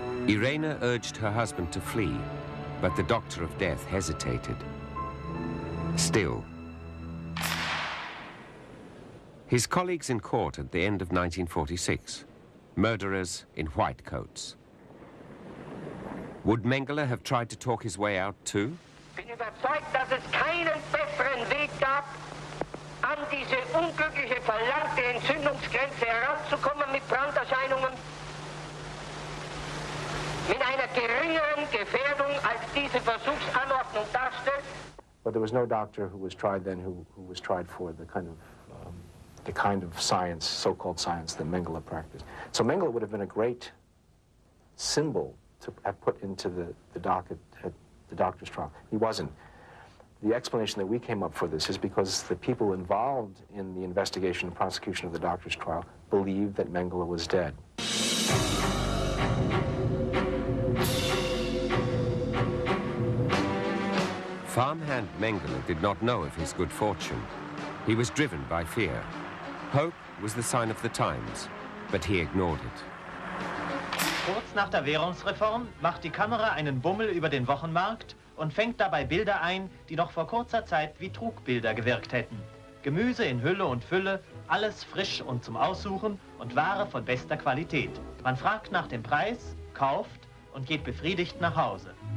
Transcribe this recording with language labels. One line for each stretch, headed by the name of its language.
English: Irene urged her husband to flee, but the doctor of death hesitated. Still, his colleagues in court at the end of 1946, murderers in white coats. Would Mengele have tried to talk his way out too?
German: Bin überzeugt, dass es keinen besseren Weg gab, an diese unglückliche verlangte Entzündungsgrenze heranzukommen mit Branderscheinungen, mit einer geringeren Gefährdung als diese Versuchsanordnung darstellt.
English: But there was no doctor who was tried then who was tried for the kind of science, so-called science, that Mengele practiced. So Mengele would have been a great symbol to have put into the dock at the doctor's trial. He wasn't. The explanation that we came up for this is because the people involved in the investigation and prosecution of the doctor's trial believed that Mengele was dead. Fritz Farmhand Mengele did not know of his good fortune. He was driven by fear. Hope was the sign of the times, but he ignored it.
German: Kurz nach der Währungsreform macht die Kamera einen Bummel über den Wochenmarkt und fängt dabei Bilder ein, die noch vor kurzer Zeit wie Trugbilder gewirkt hätten. Gemüse in Hülle und Fülle, alles frisch und zum Aussuchen und Ware von bester Qualität. Man fragt nach dem Preis, kauft und geht befriedigt nach Hause.